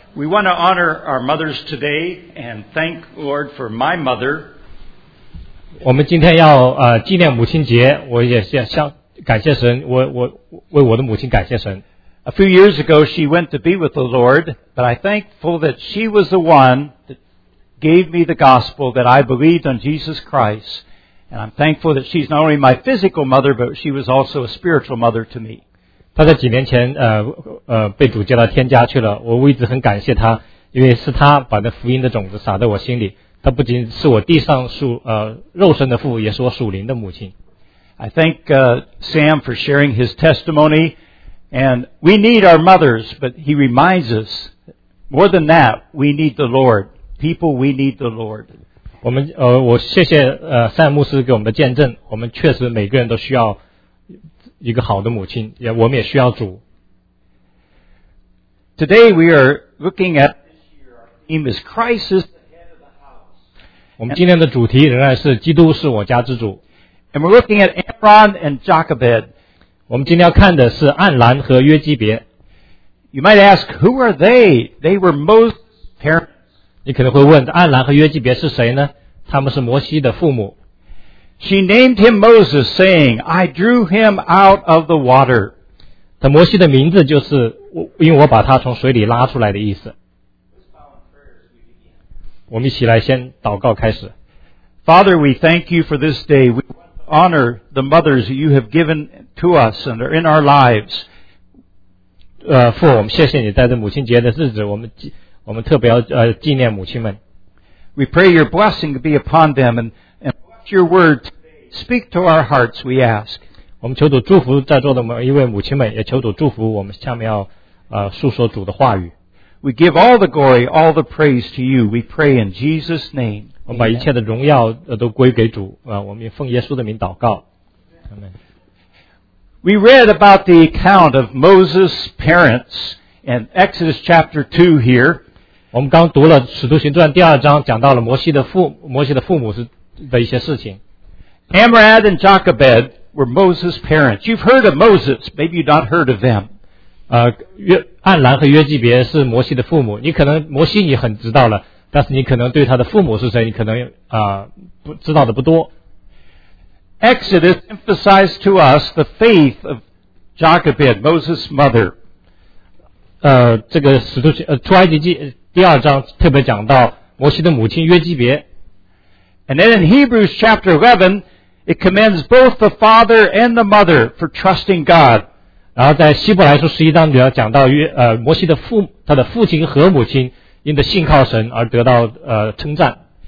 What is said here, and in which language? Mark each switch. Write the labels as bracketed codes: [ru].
[en] We want to honor our mothers today and thank Lord for my mother. [zh] 我们今天要纪念母亲节，我也想感谢神，我为我的母亲感谢神。 [en] A few years ago, she went to be with the Lord, but I'm thankful that she was the one that gave me the gospel that I believed on Jesus Christ. And I'm thankful that she's not only my physical mother, but she was also a spiritual mother to me. [zh] 他在几年前被主接到天家去了，我一直很感谢他，因为是他把那福音的种子撒在我心里。他不仅是我地上肉身的父，也是我属灵的母亲。 [en] I thank Sam for sharing his testimony, and we need our mothers, but he reminds us, more than that, we need the Lord. People, we need the Lord. [zh] 我谢谢Sam牧师给我们的见证，我们确实每个人都需要一个好的母亲，也我们也需要主。 [en] Today we are looking at this year, Christ is the head of the house. [zh] 我们今天的主题仍然是基督是我家之主。 [en] And we're looking at Amram and Jochebed. [zh] 我们今天要看的是暗兰和约基别。 [en] You might ask, who are they? They were Moses' parents. [zh] 你可能会问，暗兰和约基别是谁呢？他们是摩西的父母。 [en] She named him Moses, saying, I drew him out of the water. [zh] 他摩西的名字就是因为我把他从水里拉出来的意思。我们一起来先祷告开始。 [en] Father, we thank you for this day. We honor the mothers you have given to us and are in our lives. [zh] 父，我们谢谢你在这母亲节的日子，我们特别要纪念母亲们。 [en] We pray your blessing be upon them and your word speak to our hearts, we ask. [zh] 我们求主祝福在座的每一位母亲们，也求主祝福我们下面要述说主的话语。 [en] We give all the glory, all the praise to you. We pray in Jesus' name. [zh] 我们把一切的荣耀都归给主，我们奉耶稣的名祷告。 [en] Amen. We read about the account of Moses' parents in Exodus chapter 2 here. [zh] 我们刚读了使徒行传第二章，讲到了摩西的父母是的一些事情。 [en] Amram and Jochebed were Moses' parents. You've heard of Moses, maybe you've not heard of them. [zh] 暗兰和约基别是摩西的父母，你可能摩西你很知道了，但是你可能对他的父母是谁，你可能知道的不多。 [en] Exodus emphasized to us the faith of Jochebed, Moses' mother. [zh] 这个使徒出埃及记第二章特别讲到摩西的母亲约基别。 [en] And then in Hebrews chapter 11, it commends both the father and the mother for trusting God. [zh] 然后在希伯来书十一章里面讲到摩西的父他的父亲和母亲因着信靠神而得到称赞。